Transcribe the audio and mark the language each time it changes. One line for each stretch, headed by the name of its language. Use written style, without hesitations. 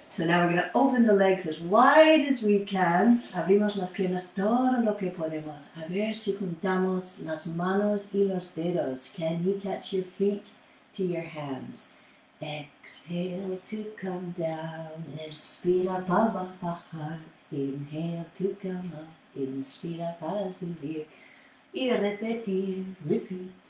English: So now we're going to open the legs as wide as we can.
Spanish: Abrimos las piernas todo lo que podemos. A ver si juntamos las manos y los dedos.
English: Can you touch your feet to your hands? Exhale to come down,
Spanish: inspira para bajar.
English: Inhale to come up,
Spanish: inspira para subir. Y repetir,
English: repeat.
Spanish: Mm-hmm.